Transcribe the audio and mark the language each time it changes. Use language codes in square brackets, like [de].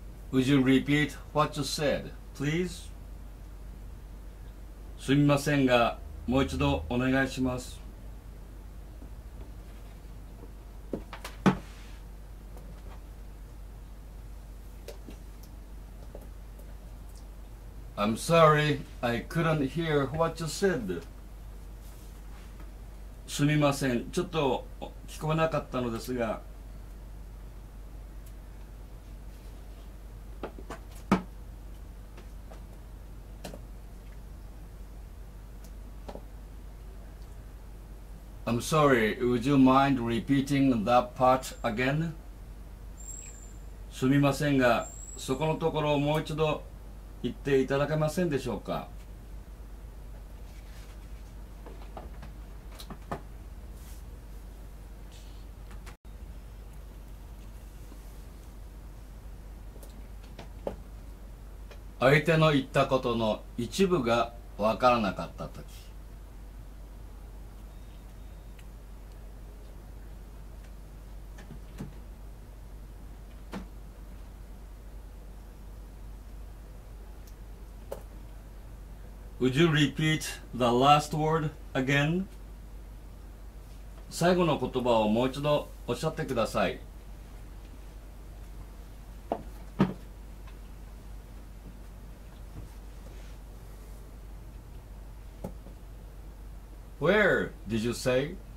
[en] Would you repeat what you said, please? [ja] すみませんが、もう一度お願いします。 [en] I'm sorry, I couldn't hear what you said. [ja] すみません、ちょっと聞こえなかったのですが、 [en] I'm sorry, would you mind repeating that part again? [ja] すみませんが、そこのところをもう一度言っていただけませんでしょうか。相手の言ったことの一部がわからなかったとき、 [en] Would you repeat the last word again? [ja] 最後の言葉をもう一度おっしゃってください。 [en] Where did you say?